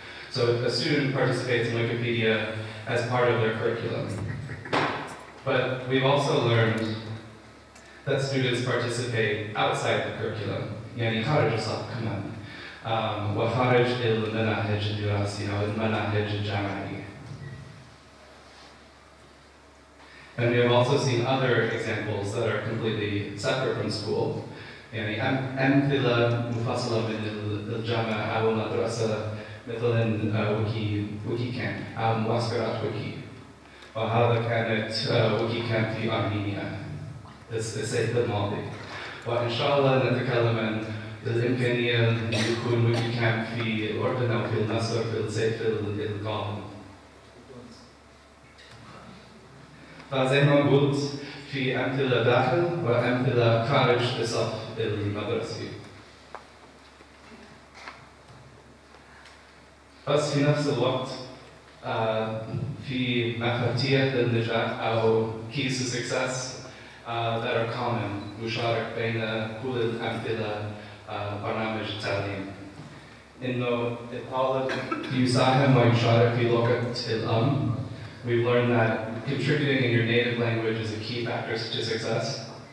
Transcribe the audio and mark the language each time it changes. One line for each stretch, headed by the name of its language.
English: So a student participates in Wikipedia as part of their curriculum. But we've also learned that students participate outside the curriculum.
Arabic: يعني خارج الصف كمان وخارج المناهج الدراسية أو المناهج الجامعية.
English: And we have also seen other examples that are completely separate from school.
Arabic: يعني أمثلة مفصلة من الجامعة أو المدرسة مثل ويكي كامب أو معسكرات ويكي. وهذا كانت ويكي كامب في أرمينيا. سيد الماضي. وإن شاء الله نتكلم عن الإمكانية أن يكون ويكي كامب في الأردن أو في النصر في الصيف القادم. فزي ما قلت في أمثلة داخل وأمثلة خارج الصف المدرسي. بس في نفس الوقت في مفاتيح للنجاح أو
English: keys to success that are common
Arabic: مشارك بين كل الأمثلة برنامج التعليم. إنه الطالب يساهم ويشارك في لغة الأم.
English: We've learned that contributing in your native language is a key factor to success.